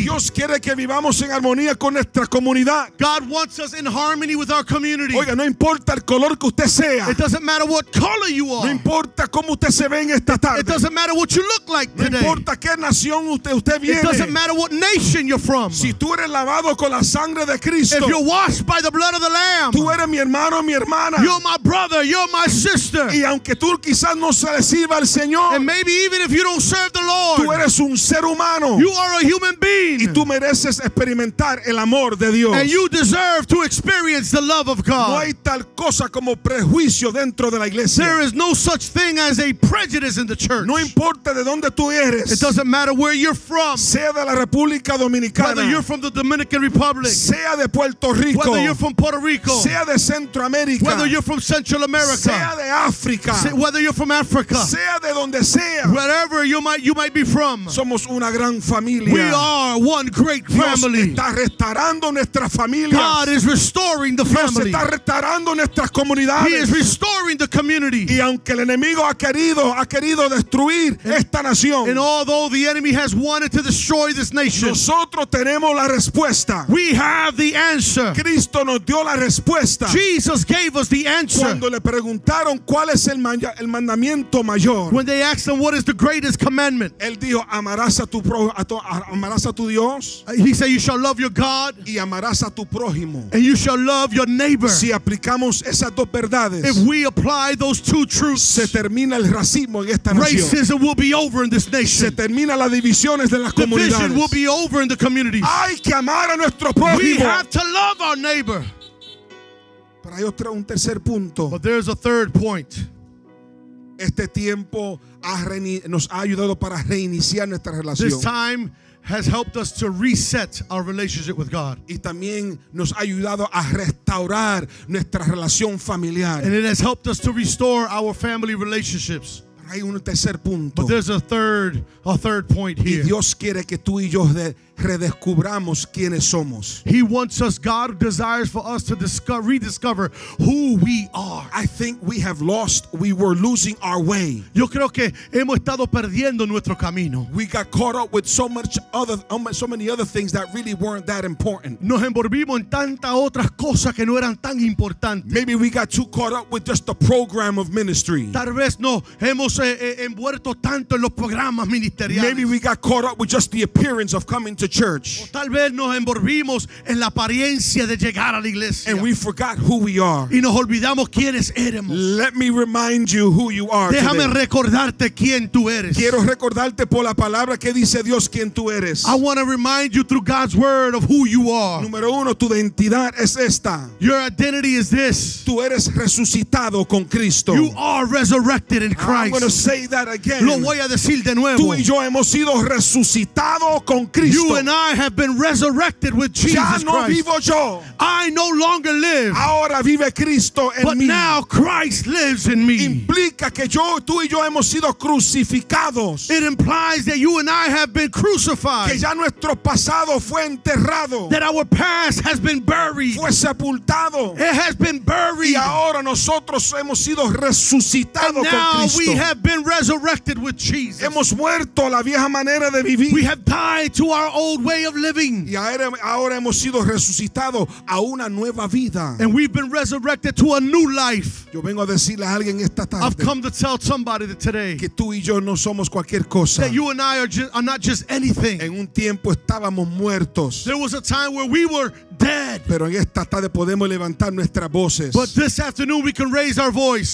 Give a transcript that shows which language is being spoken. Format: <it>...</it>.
<es>Dios quiere que vivamos en armonía con nuestra comunidad.</es> <en>God wants us in harmony with our community.</en> <es>Oiga, no importa el color que usted sea.</es> <en>It doesn't matter what color you are.</en> <es>No importa cómo usted se ve en esta tarde.</es> <en>It doesn't matter what you look like today.</en> <es>No importa qué nación usted viene.</es> <en>It doesn't matter what nation you're from.</en> <es>Si tú eres lavado con la sangre de Cristo,</es> <en>if you're washed by the blood of the Lamb,</en> <es>tú eres mi hermano, mi hermana.</es> <en>You're my brother, you're my sister.</en> <es>Y aunque tú quizás no se le sirva al Señor,</es> <en>and maybe even if you don't serve the Lord,</en> <es>tú eres un ser humano.</es> <en>You are a human being.</en> <es>Y tú mereces experimentar el amor de Dios.</es> <en>And you deserve to experience the love of God.</en> <es>No hay tal cosa como prejuicio dentro de la iglesia.</es> <en>There is no such thing as a prejudice in the church.</en> <es>No importa de dónde tú eres.</es> <en>It doesn't matter where you're from.</en> <es>Sea de la República Dominicana.</es> <en>Whether you're from the Dominican Republic.</en> <es>Sea de Puerto Rico.</es> <en>Whether you're from Puerto Rico.</en> <es>Sea de Centroamérica.</es> <en>Whether you're from Central America.</en> <es>Sea de África.</es> <en>Whether you're from Africa.</en> <es>Sea de donde sea.</es> <en>Wherever you might be from.</en> <es>Somos una gran familia.</es> <en>We are one great family.</en> <es>Dios está restaurando nuestra familia.</es> <en>God is restoring the family.</en> <es>Está restaurando nuestras comunidades.</es> <en>He is restoring the community.</en> <es>Y aunque el enemigo ha querido destruir esta nación,</es> <en>and although the enemy has wanted to destroy this nation,</en> <es>nosotros tenemos la respuesta.</es> <en>We have the answer.</en> <es>Cristo nos dio la respuesta.</es> <en>Jesus gave us the answer.</en> <es>Cuando le preguntaron cuál es el mandamiento mayor,</es> <en>when they asked him what is the greatest commandment,</en> <es>él dijo amarás a tu Dios.</es> <en>He said you shall love your God.</en> <es>Y amarás a tu prójimo.</es> <en>And you shall love your neighbor.</en> <es>Si aplicamos esas dos verdades,</es> <en>if we apply those two truths,</en> <es>se termina el racismo en esta</es> <en>racism</en> <es>nación.</es> <en>Will be over in this nation.</en> <es>Se termina las divisiones de las</es> <en>division</en> <es>comunidades.</es> <en>Division will be over in the communities.</en> <es>Hay que amar a nuestro prójimo.</es> <en>We have to love our neighbor.</en> <es>Pero hay otro, un tercer punto.</es> <en>But there's a third point.</en> <es>Este tiempo nos ha ayudado para reiniciar nuestra relación.</es> <en>This time has helped us to reset our relationship with God.</en> <es>Y también nos ha ayudado a restaurar nuestra relación familiar.</es> <en>And it has helped us to restore our family relationships.</en> <es>Pero hay un tercer punto.</es> <en>But there's a third point here.</en> <es>Y Dios quiere que tú y yo redescubramos quiénes somos.</es> <en>He wants us, God desires for us to rediscover who we are. I think we were losing our way.</en> <es>Yo creo que hemos estado perdiendo nuestro camino.</es> <en>We got caught up with so many other things that really weren't that important.</en> <es>Nos envolvimos en tantas otras cosas que no eran tan importantes.</es> <en>Maybe we got too caught up with just the program of ministry.</en> <es>Tal vez no hemos envuelto tanto en los programas ministeriales.</es> <en>Maybe we got caught up with just the appearance of coming to church.</en> <es>Tal vez nos envolvimos en la apariencia de llegar a la iglesia.</es> <en>And we forgot who we are.</en> <es>Y nos olvidamos quiénes éramos.</es> <en>Let me remind you who you are.</en> <es>Déjame</es> <en>today.</en> <es>Recordarte quién tú eres. Quiero recordarte por la palabra que dice Dios quién tú eres.</es> <en>I want to remind you through God's word of who you are.</en> <es>Número uno, tu identidad es esta.</es> <en>Your identity is this.</en> <es>Tú eres resucitado con Cristo.</es> <en>You are resurrected in Christ. I'm to say that again.</en> <es>Lo voy a decir de nuevo. Tú y yo hemos sido resucitados con Cristo.</es> <en>You and I have been resurrected with Jesus Christ.</en> <es>Ya no vivo yo.</es> <en>I no longer live.</en> <es>Ahora vive Cristo en</es> <en>but</en> <es>mí.</es> <en>But now Christ lives in me.</en> <es>Implica que yo, tú y yo hemos sido crucificados.</es> <en>It implies that you and I have been crucified.</en> <es>Que ya nuestro pasado fue enterrado.</es> <en>That our past has been buried.</en> <es>Fue sepultado.</es> <en>It has been buried.</en> <es>Y ahora nosotros hemos sido resucitados con Cristo.</es> <en>And now we have been resurrected with Jesus.</en> <es>Hemos muerto a la vieja manera de vivir.</es> <en>We have died to our old way of living.</en> <es>Y ahora hemos sido resucitados a una nueva vida.</es> <en>And we've been resurrected to a new life.</en> <es>Yo vengo a decirle a alguien esta tarde.</es> <en>I've come to tell somebody that today.</en> <es>Que tú y yo no somos cualquier cosa.</es> <en>That you and I are not just anything.</en> <es>En un tiempo estábamos muertos.</es> <en>There was a time where we were dead.</en> <es>Pero en esta tarde podemos levantar nuestras voces.</es> <en>But this afternoon we can raise our voice.</en>